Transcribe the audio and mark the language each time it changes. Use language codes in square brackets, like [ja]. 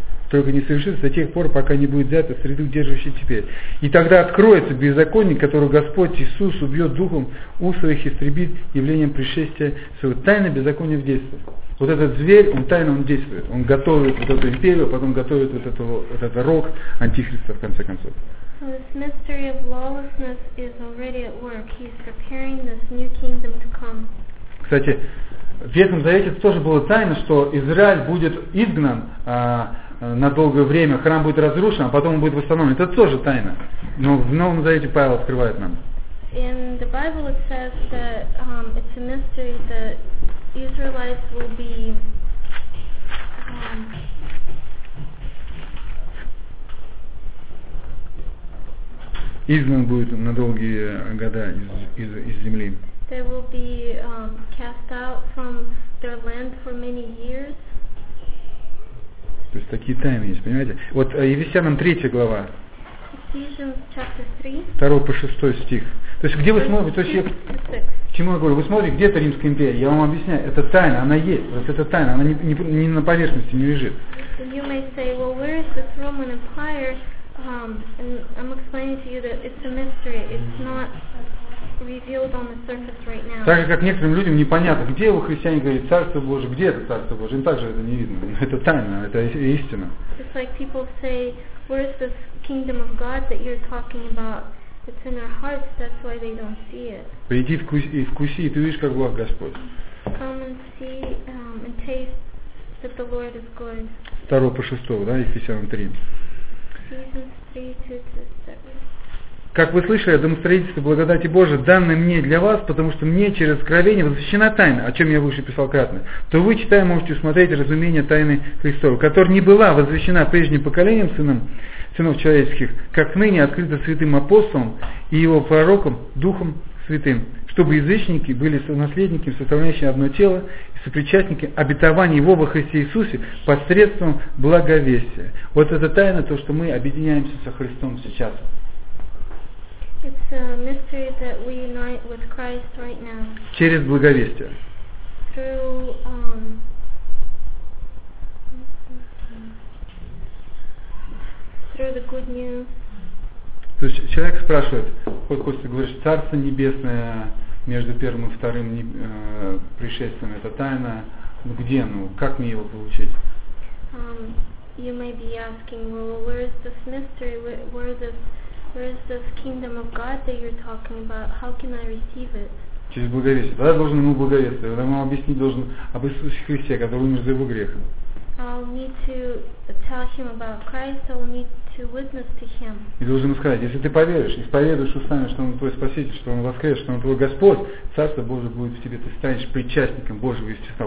[ru] Только не совершится до тех пор, пока не будет взято среду, держащей теперь. И тогда откроется беззаконник, которого Господь Иисус убьет духом, у своих истребит явлением пришествия своего. Тайное беззаконие в действии. Вот этот зверь, он тайно он действует. Он готовит вот эту империю, а потом готовит вот этого, вот этот рог антихриста в конце концов. [en] So this mystery of lawlessness is already at work. He's preparing this new kingdom to come. [ru] Кстати, в Ветхом Завете тоже было тайно, что Израиль будет изгнан на долгое время, храм будет разрушен, а потом он будет восстановлен. Это тоже тайна. Но в Новом Завете Павел открывает нам. [en] In the Bible it says that it's a mystery that Israelites will be [ru] изгнан будет на долгие года из земли. [en] They will be cast out from their land for many years. [ru] То есть такие тайны есть, понимаете? Вот Ефесянам 3 глава. [en] Ephesians chapter 3. [ru] 2 по 6 стих. То есть где вы смотрите? То есть я, чему я говорю? Вы смотрите, где это Римская империя? Я вам объясняю. Это тайна, она есть. Вот это тайна, она не на поверхности не лежит. [en] You may say, well, where is this Roman Empire? I'm explaining to you that it's a mystery. It's not revealed on the surface right now. [ru] Так же, как некоторым людям непонятно, где его христиане говорят Царство Божие, где это Царство Божие, им также это не видно. Это тайна, это истина. [en] It's like people say, where is this kingdom of God that you're talking about? It's in their hearts, that's why they don't see it. [ru] Приди и вкуси, и ты увидишь, как Бог Господь. [en] Come and see and taste that the Lord is good. [ru] 2 по 6, да, Ефесянам 3. [en] Ephesians 3, 2 to 6. [ru] Как вы слышали о домостроительстве благодати Божией, данной мне для вас, потому что мне через откровение возвещена тайна, о чем я выше писал кратно, то вы, читая, можете усмотреть разумение тайны Христовой, которая не была возвещена прежним поколением сынов человеческих, как ныне открыта святым апостолом и его пророком Духом Святым, чтобы язычники были наследниками, составляющими одно тело, и сопричастниками обетования Его во Христе Иисусе посредством благовестия. Вот эта тайна, то, что мы объединяемся со Христом сейчас. [en] It's a mystery that we unite with Christ right now. [ru] Через благовестие. [en] Through through the good news. [ru] То есть человек спрашивает, вот Костя говорит, Царство Небесное между первым и вторым пришествием, это тайна. Ну где, ну как мне его получить? [en] You may be asking, well, where is this mystery? Where is this kingdom of God that you're talking about? How can I receive it? [ru] Через благовестие. Тогда я должен ему благовествовать. Тогда я ему объяснить должен об Иисусе Христе, который умер за его грех. [en] I'll need to tell him about Christ. I'll need to witness to him. [ru] И должен ему сказать, если ты поверишь, исповедуешь устами, что он твой Спаситель, что он воскрес, что он твой Господь, Царство Божие будет в тебе, ты станешь причастником Божьего естества.